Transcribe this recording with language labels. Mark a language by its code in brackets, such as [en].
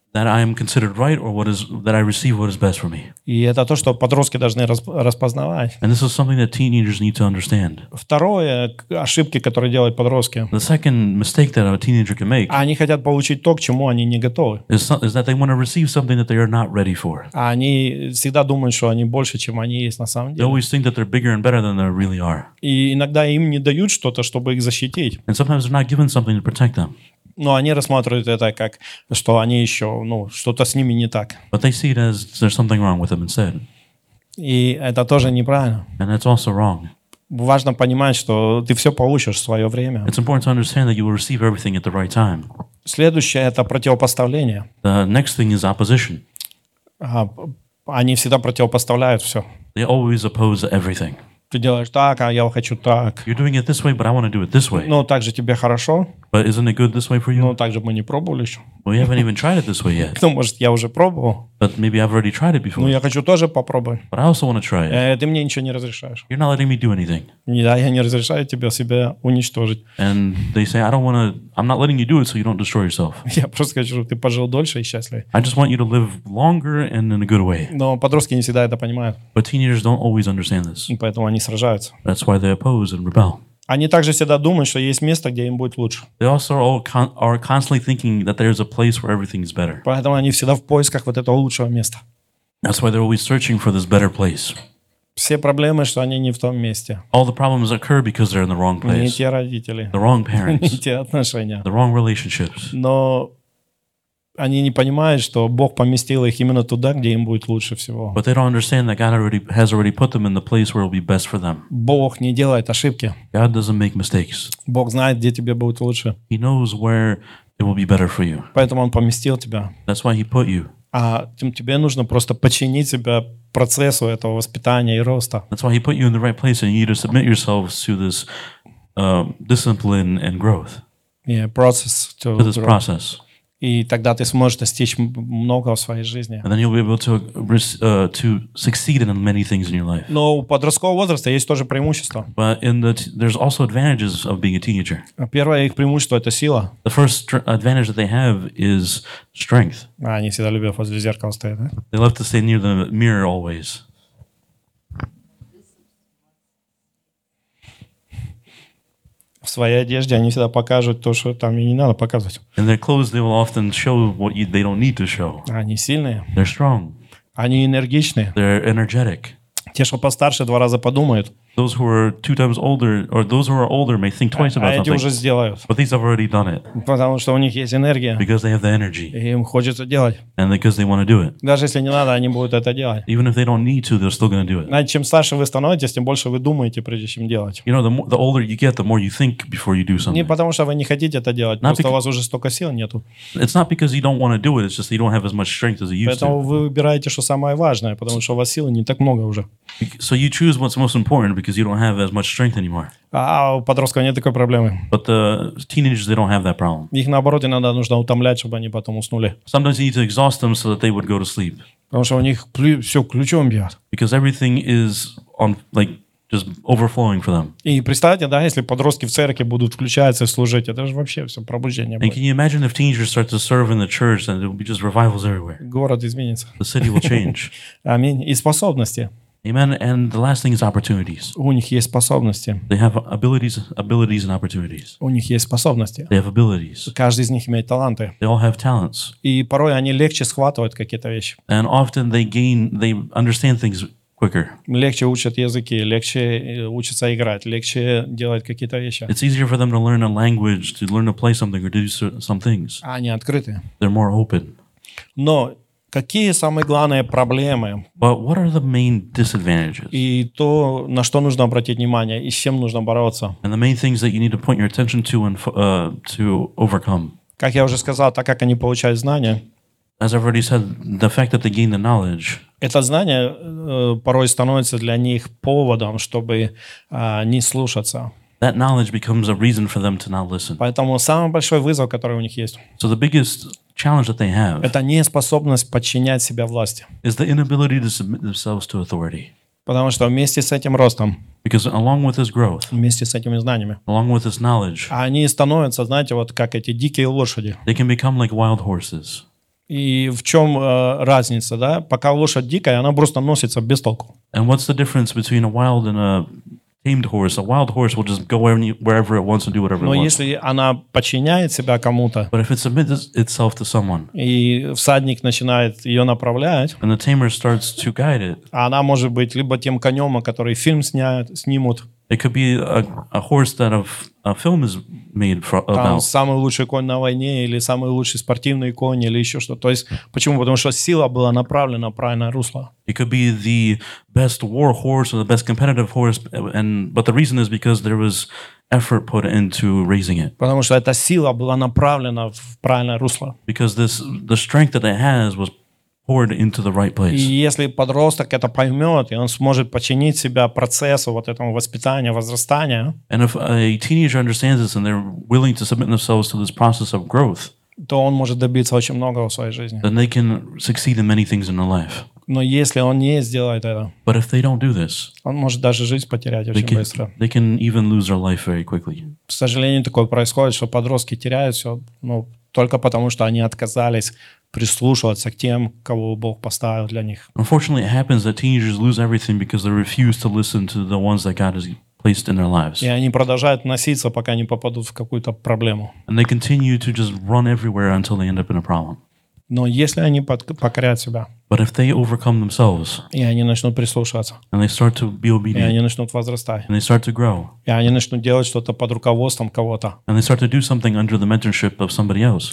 [en] That I am considered right or what is that I receive what is best for me. [ru] И это то, что подростки должны распознавать. [en] And this is something that teenagers need to understand. [ru] Второе, ошибки, которые делают подростки. [en] The second mistake that a teenager can make. [ru] Они хотят получить то, к чему они не готовы. [en] Is that they want to receive something that they are not ready for. [ru] Они всегда думают, что они больше, чем они есть на самом деле. [en] They always think that they're bigger and better than they really are. [ru] И иногда им не дают что-то, чтобы их защитить. [en] And sometimes they're not given something to protect them. [ru] Но они рассматривают это как, что они еще, ну, что-то с ними не так. [en] But they see it as there's something wrong with them instead. [ru] И это тоже неправильно. [en] And that's also wrong. [ru] Важно понимать, что ты все получишь в свое время. [en] It's important to understand that you will receive everything at the right time. [ru] Следующее – это противопоставление. [en] The next thing is opposition. [ru] Они всегда противопоставляют все. [en] They always oppose everything. [ru] Ты делаешь так, а я хочу так. [en] You're doing it this way, but I want to do it this way. [ru] Ну, так же тебе хорошо. [en] But isn't it good this way for you? [ru] Ну, так же мы не пробовали еще. [en] Well, you haven't even tried it this way yet. [ru] Ну, может, я уже пробовал. [en] But maybe I've already tried it before. [ru] Ну, я хочу тоже попробовать. [en] But I also want to try it. [ru] Ты мне ничего не разрешаешь. [en] You're not letting me do anything. [ru] Да, я не разрешаю тебе себя уничтожить. [en] And they say, I don't want to, I'm not letting you do it so you don't destroy yourself. [ru] Я просто хочу, чтобы ты пожил дольше и счастливее. [en] I just want you to live longer and in a good way. [ru] Но подростки не всегда это понимают. [en] But teenagers don't always understand this. [ru] И поэтому они сражаются. [en] That's why they oppose and rebel. [ru] Они также всегда думают, что есть место, где им будет лучше. [en] They also are constantly thinking that there's a place where everything is better. [ru] Поэтому они всегда в поисках вот этого лучшего места. [en] That's why they're always searching for this better place. [ru] Все проблемы, что они не в том месте. [en] All the problems occur because they're in the wrong place. [ru] Не те родители. [en] The wrong parents. [ru] Не те отношения. [en] The wrong relationships. [ru] Но они не понимают, что Бог поместил их именно туда, где им будет лучше всего. [en] But they don't understand that God already has already put them in the place where it will be best for them. [ru] Бог не делает ошибки. [en] God doesn't make mistakes. [ru] Бог знает, где тебе будет лучше. [en] He knows where it will be better for you. [ru] Поэтому он поместил тебя. [en] That's why he put you. [ru] А тебе нужно просто подчинить себя процессу этого воспитания и роста. [en] That's why he put you in the right place and you need to submit yourself to this discipline and growth. Yeah, process. To this grow. Process. [ru] И тогда ты сможешь достичь многого в своей жизни. [en] And then you'll be able to succeed in many things in your life. [ru] Но у подросткового возраста есть тоже преимущество. [en] But in there's also advantages of being a teenager. [ru] Первое их преимущество – это сила. [en] The first advantage that they have is strength. [ru] Они всегда любят возле зеркала стоять, да? [en] They love to stay near the mirror always. [ru] В своей одежде они всегда покажут то, что там и не надо показывать. [en] In their clothes they will often show what they don't need to show. [ru] Они сильные. [en] They're strong. [ru] Они энергичные. [en] They're energetic. [ru] Те, что постарше, два раза подумают. [en] Those who are two times older, or those who are older may think twice about something. [ru] А эти уже сделают. [en] But these have already done it. [ru] Потому что у них есть энергия. [en] Because they have the energy. [ru] И им хочется делать. [en] And because they want to do it. [ru] Даже если не надо, они будут это делать. [en] Even if they don't need to, they're still going to do it. [ru] Знаете, чем старше вы становитесь, тем больше вы думаете, прежде чем делать. [en] You know, the older you get, the more you think before you do something. [ru] Не потому что вы не хотите это делать, [en] not [ru] просто у вас уже столько сил нету. [en] It's not because you don't want to do it, it's just that you don't have as much strength as you used [ru] Поэтому [en] to. [ru] Вы выбираете, что самое важное, потому что у вас силы не так много уже. [en] So you choose what's most important because you don't have as much strength anymore. [ru] А у подростков нет такой проблемы. [en] But the teenagers, they don't have that problem. [ru] Их наоборот иногда нужно утомлять, чтобы они потом уснули. [en] Sometimes you need to exhaust them so that they would go to sleep. [ru] Потому что у них все ключом бьет. [en] Because everything is on like just overflowing for them. [ru] И представьте, да, если подростки в церкви будут включаться и служить, это же вообще все пробуждение будет. [en] And can you imagine if teenagers start to serve in the church, then there will be just revivals everywhere. [ru] Город изменится. [en] The city will change. [ru] Аминь. И способности. [en] Amen. And the last thing is opportunities. [ru] У них есть способности. [en] They have abilities and opportunities. [ru] У них есть способности. [en] They have abilities. [ru] Каждый из них имеет таланты. [en] They all have talents. [ru] И порой они легче схватывают какие-то вещи. [en] And often they understand things quicker. [ru] Легче учат языки, легче учатся играть, легче делать какие-то вещи. [en] It's easier for them to learn a language, to learn to play something or do some things. [ru] Они открыты. [en] They're more open. [ru] Но какие самые главные проблемы? [en] But what are the main disadvantages? [ru] И то, на что нужно обратить внимание, и с чем нужно бороться. [en] And the main things that you need to point your attention to and to overcome. [ru] Как я уже сказал, так как они получают знания. [en] As I've already said, the fact that they gain the knowledge. [ru] Это знание порой становится для них поводом, чтобы не слушаться. [en] That knowledge becomes a reason for them to not listen. [ru] Поэтому самый большой вызов, который у них есть. [en] So the biggest challenge that they have. [ru] Это неспособность подчинять себя власти. [en] Is the inability to submit themselves to authority. [ru] Потому что вместе с этим ростом, [en] because along with his growth, [ru] вместе с этими знаниями, [en] along with his knowledge, [ru] они становятся, знаете, вот как эти дикие лошади. [en] They can become like wild horses. [ru] И в чем разница, да? Пока лошадь дикая, она просто носится без толку. [en] And what's the difference between a wild and a tamed horse? A wild horse will just go wherever it wants and do whatever it wants. [ru] Но если она подчиняет себя кому-то, [en] but if it submits itself to someone, [ru] и всадник начинает ее направлять, [en] and the tamer starts to guide it, [ru] она может быть либо тем конем, о который фильм снимут. [en] It could be a horse that a film is made for, about. [ru] Там самый лучший конь на войне, или самый лучший спортивный конь, или еще что-то. То есть, почему? Потому что сила была направлена в правильное русло. [en] It could be the best war horse or the best competitive horse, but the reason is because there was effort put into raising it. [ru] Потому что эта сила была направлена в правильное русло. [en] Because the strength that it has was poured into the right place. [ru] И если подросток это поймет, и он сможет подчинить себя процессу вот этому воспитания, возрастания. [en] And if a teenager understands this and they're willing to submit themselves to this process of growth, [ru] то он может добиться очень многого в своей жизни. [en] Then they can succeed in many things in their life. [ru] Но если он не сделает это, [en] but if they don't do this, [ru] он может даже жизнь потерять очень быстро. [en] They can even lose their life very quickly. [ru] К сожалению, такое происходит, что подростки теряют все, ну, только потому, что они отказались прислушиваться к тем, кого Бог поставил для них. [en] Unfortunately, it happens that teenagers lose everything because they refuse to listen to the ones that God has placed in their lives. [ru] И они продолжают носиться, пока не попадут в какую-то проблему. [en] And they continue to just run everywhere until they end up in a problem. [ru] Но если они покорят себя, [en] but if they overcome themselves, [ru] и они начнут прислушиваться, [en] and they start to be obedient, [ru] и они начнут возрастать, [en] and they start to grow, [ru] и они начнут делать что-то под руководством кого-то, [en] and they start to do something under the mentorship of somebody else,